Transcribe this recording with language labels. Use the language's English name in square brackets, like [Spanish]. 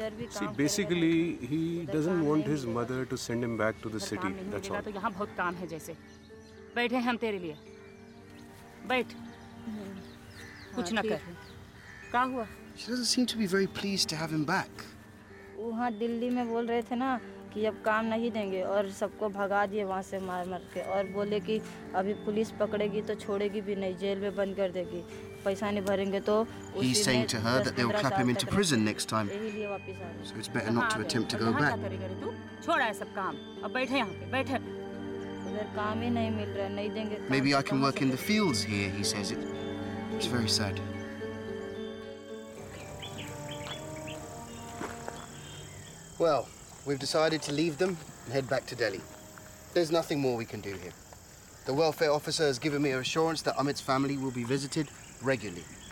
[English] See, basically, he doesn't want his mother to send him back to the city. That's all. There's a lot of work here. Sit here for you. Sit. Don't do anything. She doesn't seem to be very pleased to have him back. [Hindi] वहाँ दिल्ली में बोल रहे थे ना कि अब काम नहीं देंगे और सबको भगा दिए वहाँ से मार मार के और बोले कि अभी पुलिस पकड़ेगी तो छोड़ेगी भी नहीं जेल में बंद कर देगी पैसा नहीं भरेंगे तो [English] He's saying to her that they'll clap him into prison next time. So it's better not to attempt to go back. [Hindi] छोड़ा है सब काम अब बैठे यहाँ पे बैठे उधर काम ही नहीं मिल रहा नहीं देंगे [English] Maybe I can work in the fields here, he says. It's very sad. Well, we've decided to leave them and head back to Delhi. There's nothing more we can do here. The welfare officer has given me an assurance that Amit's family will be visited regularly.